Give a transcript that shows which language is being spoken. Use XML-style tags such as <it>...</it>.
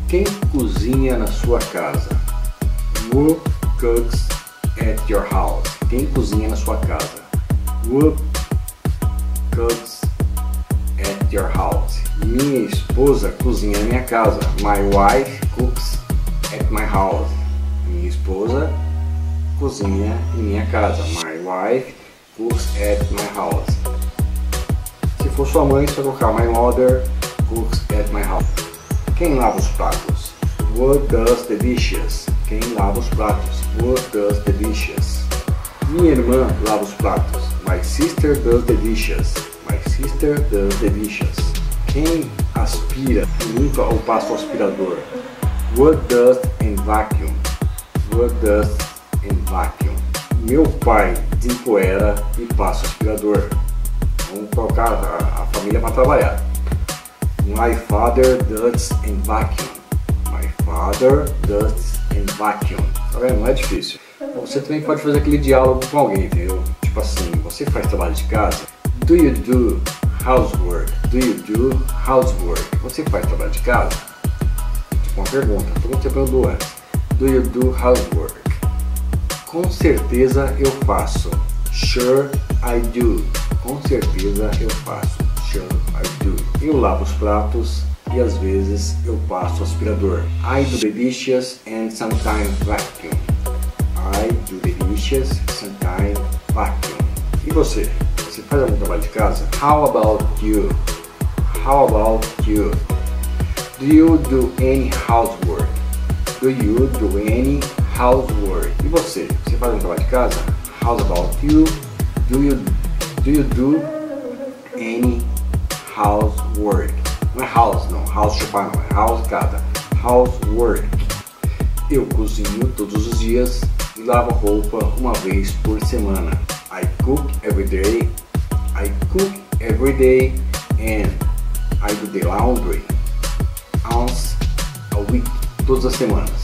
<pt>Quem cozinha na sua casa?</pt> <en>Who cooks at your house?</en> <pt>Quem cozinha na sua casa?</pt> <en>Who cooks at your house?</en> <pt>Minha esposa cozinha na minha casa.</pt> <en>My wife cooks at my house.</en> <pt>Minha esposa cozinha em minha casa.</pt> <en>My wife cooks at my house.</en> <pt>Se for sua mãe, você vai colocar</pt> <en>my mother cooks at my house.</en> <pt>Quem lava os pratos?</pt> <en>Who does the dishes?</en> <pt>Quem lava os pratos?</pt> <en>Who does the dishes?</en> <pt>Minha irmã lava os pratos.</pt> <en>My sister does the dishes. My sister does the dishes.</en> <pt>Quem aspira e limpa ou passa o aspirador?</pt> <en>Wood dust and vacuum. Wood dust and vacuum.</en> <pt>Meu pai desempoeira e passa o aspirador. Vamos colocar a família para trabalhar.</pt> <en>My father dusts and vacuum. My father dusts and vacuum.</en> <pt>Tá vendo? Não é difícil. Você também pode fazer aquele diálogo com alguém, entendeu? Tipo assim, você faz trabalho de casa.</pt> <en>Do you do housework? Do you do housework?</en> <pt>Você faz trabalho de casa? Tipo uma pergunta, todo mundo te perguntou antes.</pt> <en>Do you do housework?</en> <pt>Com certeza eu faço.</pt> <en>Sure I do.</en> <pt>Com certeza eu faço.</pt> <en>Sure I do.</en> <pt>Eu lavo os pratos e às vezes eu passo o aspirador.</pt> <en>I do the dishes and sometimes vacuum. I do the dishes and sometimes vacuum.</en> <pt>E você? Você faz algum trabalho de casa?</pt> <en>How about you? How about you? Do you do any housework? Do you do any housework?</en> <pt>E você? Você faz algum trabalho de casa?</pt> <en>How about you? Do you do any housework?</en> <pt>Não é house não, house chupá não, é house casa. Housework. Eu cozinho todos os dias e lavo roupa uma vez por semana.</pt> <en>I cook every day. I cook every day and I do the laundry once a week,</en> <pt>todas as semanas.</pt>